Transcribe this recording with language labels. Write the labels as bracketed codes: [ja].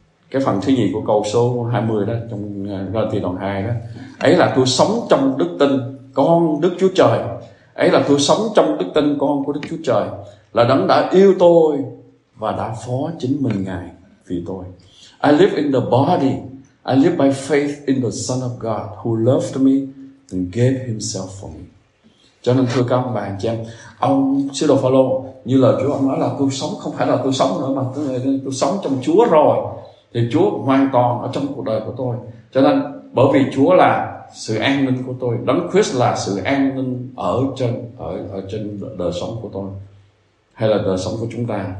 [vi] Cái phần thứ nhì của câu số 20 đó, trong Ga-ti đoạn 2 đó, ấy là tôi sống trong đức tin con Đức Chúa Trời. Ấy là tôi sống trong đức tin con của Đức Chúa Trời, là Đấng đã yêu tôi và đã phó chính mình Ngài vì tôi. [en] I live in the body, I live by faith in the Son of God who loved me and gave himself for me. [vi] Cho nên thưa các ông bà anh chị em, ông Sư Đồ Phao-lô như lời Chúa ông nói là tôi sống, không phải là tôi sống nữa mà tôi sống trong Chúa rồi, thì Chúa hoàn toàn ở trong cuộc đời của tôi. Cho nên bởi vì Chúa là sự an ninh của tôi, Đấng Christ là sự an ninh ở trên đời sống của tôi hay là đời sống của chúng ta.